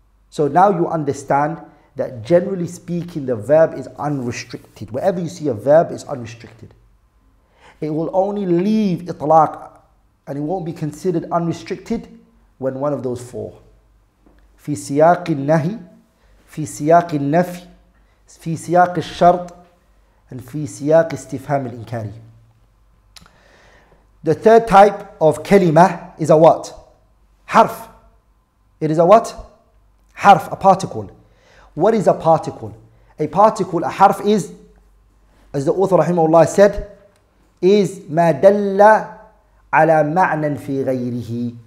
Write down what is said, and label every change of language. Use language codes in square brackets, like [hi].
[en] So now you understand that generally speaking, the verb is unrestricted. Wherever you see a verb, it's unrestricted. It will only leave itlaq, and it won't be considered unrestricted when one of those four. [ar] في سياق النهي, في سياق النفي, في سياق الشرط, [en] and [ar] في سياق استفهام الإنكاري. [en] The third type of kalima is a what? Harf. It is a what? Harf, a particle. What is a particle? A particle, a harf is, as the author rahimahullah said, is [ar] ما دل على معنى في غيره.